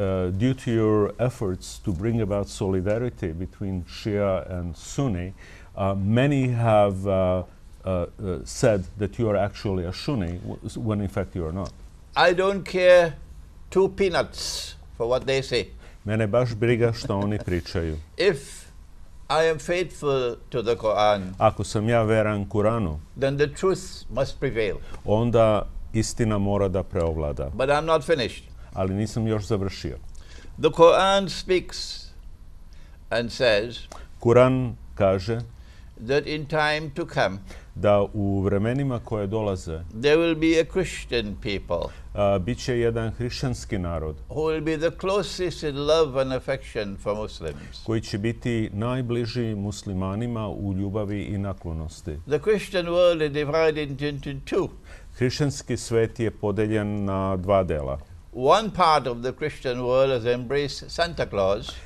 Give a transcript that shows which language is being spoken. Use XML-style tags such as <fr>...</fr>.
<en>Due to your efforts to bring about solidarity between Shia and Sunni, many have said that you are actually a Sunni, when in fact you are not. I don't care two peanuts for what they say.</en> <sr>Mene baš briga što oni pričaju.</sr> <en>If I am faithful to the Quran,</en> <sr>ako sam ja veran Kuranu,</sr> <en>then the truth must prevail.</en> <sr>Onda istina mora da preovlada.</sr> <en>But I'm not finished.</en> <sr>Ali nisam još završio.</sr> <en>The Quran speaks and says,</en> <sr>Kur'an kaže,</sr> <en>that in time to come,</en> <sr>da u vremenima koje dolaze,</sr> <en>there will be a Christian people,</en> <sr>biće jedan hrišćanski narod,</sr> <en>who will be the closest in love and affection for Muslims,</en> <sr>koji će biti najbliži muslimanima u ljubavi i naklonosti.</sr> <en>The Christian world is divided into two.</en> <sr>Hrišćanski svet je podeljen na dva dela.</sr> <en>One part of the Christian world has embraced Santa Claus.</en>